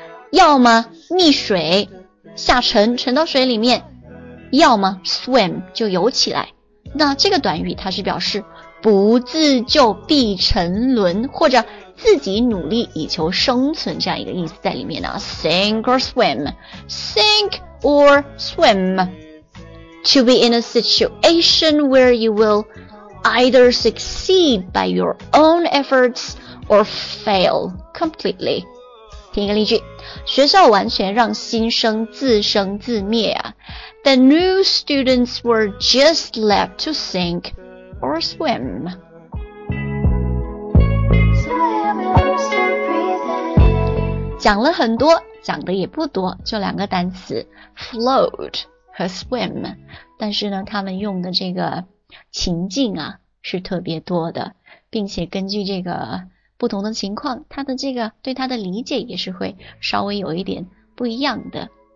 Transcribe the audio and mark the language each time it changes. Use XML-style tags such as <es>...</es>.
<zh>要么溺水，下沉，沉到水里面。要么 swim 就游起来，那这个短语它是表示不自救必沉沦，或者自己努力以求生存这样一个意思在里面呢。</zh> <en>Sink or swim, to be in a situation where you will either succeed by your own efforts or fail completely.</en> <zh>听一个例句，学校完全让新生自生自灭啊。</zh> <en>The new students were just left to sink or swim.</en> <zh>So, 讲了很多，讲的也不多，就两个单词 float 和 swim， 但是呢他们用的这个情境啊是特别多的，并且根据这个不同的情况，他的这个对他的理解也是会稍微有一点不一样的。</zh>